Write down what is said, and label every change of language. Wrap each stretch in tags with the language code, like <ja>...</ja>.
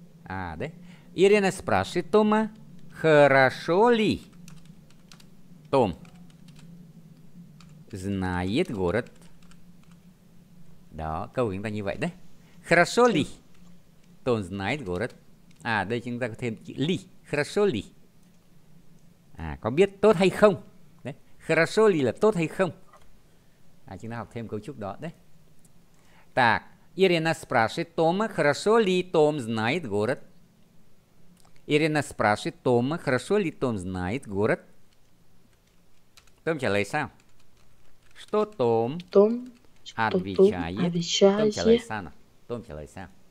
<ru>А да? Ирина спрашивает Тома, хорошо ли Том знает город. Да, кого-нибудь понимает, да? Хорошо ли Том знает город?</ru> <vi>À, đây chúng ta có thêm chữ ly.</vi> <ru>Хорошо ли?</ru> <vi>À, có biết tốt hay không? Đấy.</vi> <ru>Хорошо ли</ru> <vi>là tốt hay không? À, chúng ta học thêm cấu trúc đó đấy.</vi> <ru>Так, Ирина спрашивает Тома, хорошо ли Том знает город? Ирина спрашивает Тома, хорошо ли Том знает город?</ru> <vi>Том trả lời sao?</vi> <ru>Что Том? Том отвечает. Том</ru> <vi>trả lời sao? Том trả lời sao?</vi>